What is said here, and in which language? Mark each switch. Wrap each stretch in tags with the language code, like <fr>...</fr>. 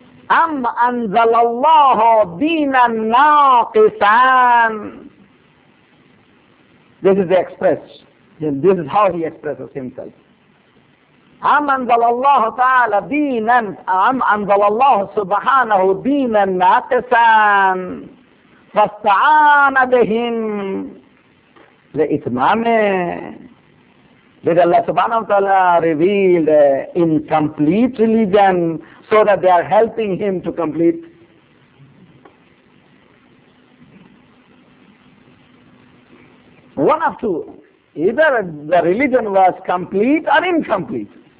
<ar>أم أنزل الله دينا ناقصا.</ar> <en>This is the expression. This is how he expresses himself.</en> <ar>أم أنزل الله تعالى دينا أم أنزل الله سبحانه دينا ناقصا فاستعان بهم لإتمامه.</ar> <en>Did Allah subhanahu wa ta'ala reveal the incomplete religion so that they are helping him to complete? One of two. Either the religion was complete or incomplete.</en>